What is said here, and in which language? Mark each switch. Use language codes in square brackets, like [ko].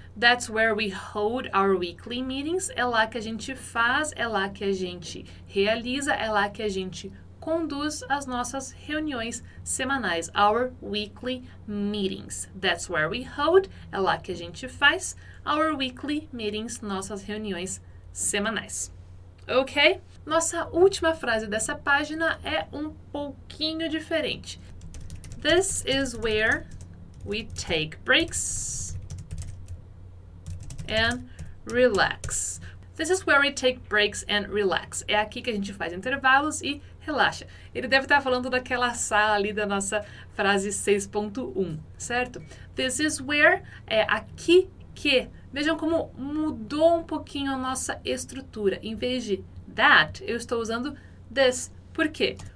[en] That's where we hold our weekly meetings. [pt] É lá que a gente faz, é lá que a gente realiza, é lá que a gente conduz as nossas reuniões semanais. [en] Our weekly meetings. That's where we hold, [pt] é lá que a gente faz, [en] our weekly meetings, [pt] nossas reuniões semanais. Ok? Nossa última frase dessa página é um pouquinho diferente. [en] This is where we take breaks and relax. This is where we take breaks and relax. [pt] É aqui que a gente faz intervalos e relaxa. Ele deve estar falando daquela sala ali da nossa frase 6.1, certo? [en] This is where [pt] é aqui que. Vejam como mudou um pouquinho a nossa estrutura. Em vez de that, eu estou usando this. Por quê?